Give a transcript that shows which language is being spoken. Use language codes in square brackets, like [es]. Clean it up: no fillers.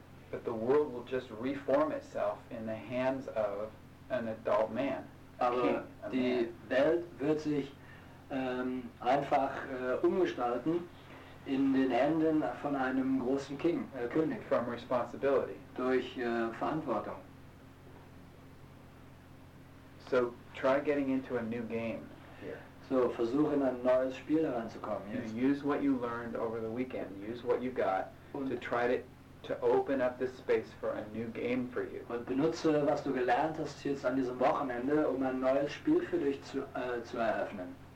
[en] But the world will just reform itself in the hands of an adult man. [de] Aber die Welt wird sich einfach umgestalten in den Händen von einem großen King, König. [en] From responsibility. [de] Durch Verantwortung. [en] So try getting into a new game. [de] So versuche in ein neues Spiel reinzukommen. [en] Use what you learned over the weekend. Use what you got to open up this space for a new game for you. [de] Und benutze, was du gelernt hast jetzt an diesem Wochenende, um ein neues Spiel für dich zu eröffnen.